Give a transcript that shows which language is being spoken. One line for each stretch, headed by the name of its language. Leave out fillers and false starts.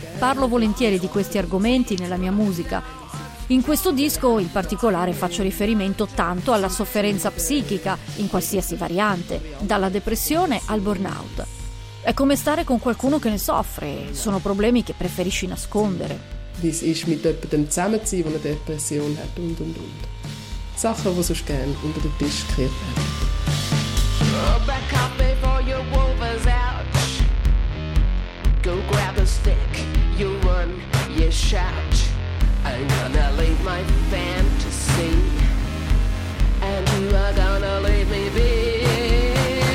Italian: Parlo volentieri di questi argomenti nella mia musica. In questo disco, in particolare, faccio riferimento tanto alla sofferenza psichica, in qualsiasi variante, dalla depressione al burnout. È come stare con qualcuno che ne soffre, sono problemi che preferisci nascondere.
German: Wie es ist mit jemandem zusammenzuziehen, der eine Depression hat und. Sachen, die sonst gerne unter den Tisch gekehrt werden.
English: Back up before your wolver's out. Go grab a stick, you run, you shout. I'm gonna leave my fantasy, and you are gonna leave me be.